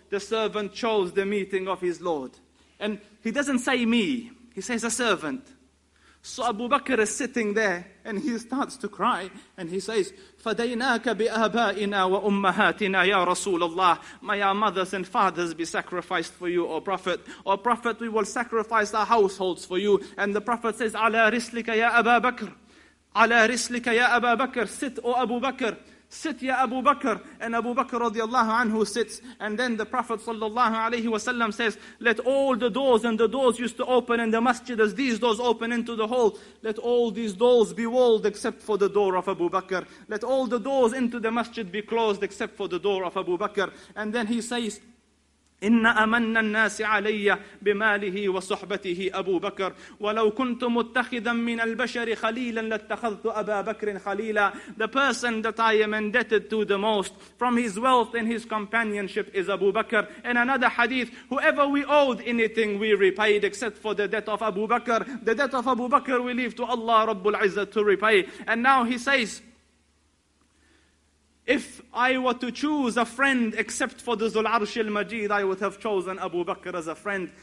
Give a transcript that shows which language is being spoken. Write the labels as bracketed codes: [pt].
[en] The servant chose the meeting of his Lord. And he doesn't say me. He says, a servant. So Abu Bakr is sitting there and he starts to cry and he says, [ar] فَدَيْنَاكَ بِآبَائِنَا وَأُمَّهَاتِنَا يَا رَسُولَ اللَّهِ. [en] May our mothers and fathers be sacrificed for you, O Prophet. O Prophet, we will sacrifice our households for you. And the Prophet says, [ar] عَلَى رِسْلِكَ يَا أَبَا بَكْرِ. عَلَى رِسْلِكَ يَا أَبَا بَكْرِ. [en] Sit, O Abu Bakr. Sit, ya Abu Bakr. And Abu Bakr radiallahu anhu sits. And then the Prophet sallallahu alayhi wa sallam says, let all the doors, and the doors used to open in the masjid as these doors open into the hall, let all these doors be walled except for the door of Abu Bakr. Let all the doors into the masjid be closed except for the door of Abu Bakr. And then he says, [ar] إِنَّ أَمَنَّ النَّاسِ عَلَيَّ بِمَالِهِ وَصُحْبَتِهِ أَبُو بَكْرٍ وَلَوْ كُنْتُ مُتَّخِذًا مِّنَ الْبَشَرِ خَلِيلًا لَاتَّخَذْتُ أَبَا بَكْرٍ خَلِيلًا. [en] The person that I am indebted to the most from his wealth and his companionship is Abu Bakr. In another hadith, whoever we owed anything, we repaid except for the debt of Abu Bakr. The debt of Abu Bakr we leave to Allah Rabbul Izzah to repay. And now he says, if I were to choose a friend except for the Zul Arsh al-Majid, I would have chosen Abu Bakr as a friend.